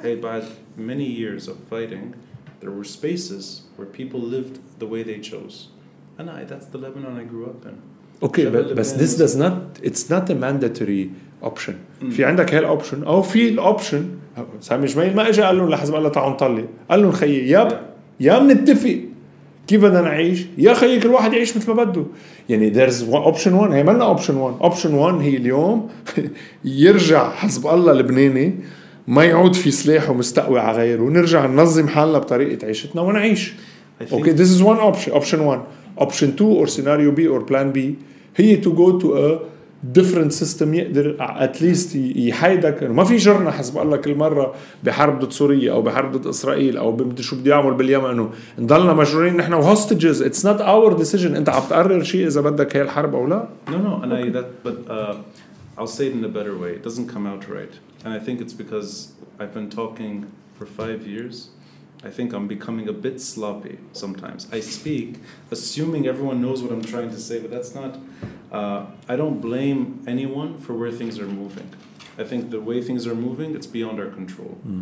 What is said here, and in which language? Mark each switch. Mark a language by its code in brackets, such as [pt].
[en] Hey, [ar] بعد [en] many years of fighting there were spaces where people lived the way they chose. And that's the Lebanon I grew up in. Okay, but this does not, it's not a mandatory option. [ar] في عندك هال option, أو في option, سامي جميل ما إجا قال لهم لحزب الله تعالوا نطلي, قال لهم خيي ياب, يا منتفق, كيف بدنا نعيش, يا خيي كل واحد يعيش مثل ما بده. يعني [en] there's one, option one, [ar] هي مالنا [en] option one. [ar] Option one هي اليوم يرجع حزب الله لبناني ما يعود في سلاح ومستقوي على غيره ونرجع ننظم حالنا بطريقة عيشتنا ونعيش. [en] Okay, this is one option. Option one. Option two or scenario B or plan B [ar] هي [en] to go to a different system [ar] يقدر [en] at least [ar] يحايدك ما في جرنا حسب الله كل مرة بحرب ضد سوريا أو بحرب ضد إسرائيل أو شو بدي يعمل باليمن نضلنا مجرورين نحن [en] hostages. It's not our decision. [ar] أنت عم تقرر شيء إذا بدك هاي الحرب أو لا. [en] No. And okay. I'll say it in a better way. It doesn't come out right. And I think it's because I've been talking for 5 years. I think I'm becoming a bit sloppy sometimes. I speak assuming everyone knows what I'm trying to say, but that's not... I don't blame anyone for where things are moving. I think the way things are moving, it's beyond our control.